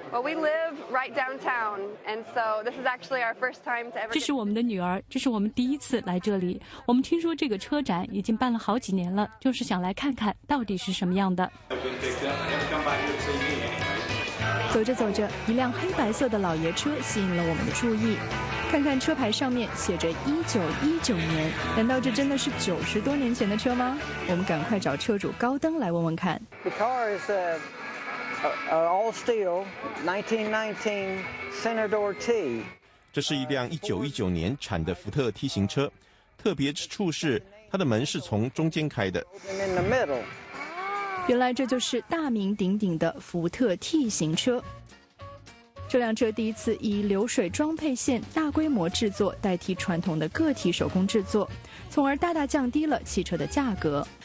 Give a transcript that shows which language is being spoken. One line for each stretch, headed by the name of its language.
English: Well, we live right downtown, and so this is actually our first time to ever.
Chinese: 这是我们的女儿，这是我们第一次来这里。我们听说这个车展已经办了好几年了，就是想来看看到底是什么样的。走着走着，一辆黑白色的老爷车吸引了我们的注意。看看车牌上面写着1919年，难道这真的是90多年前的车吗？我们赶快找车主高登来问问看。
English: The car is a all steel 1919 Senator T.
Chinese: 这是一辆1919年产的福特 T 型车，特别之处是它的门是从中间开的。原来这就是大名鼎鼎的福特 T 型车。这辆车第一次以流水装配线大规模制作代替传统的个体手工制作，从而大大降低了汽车的价格。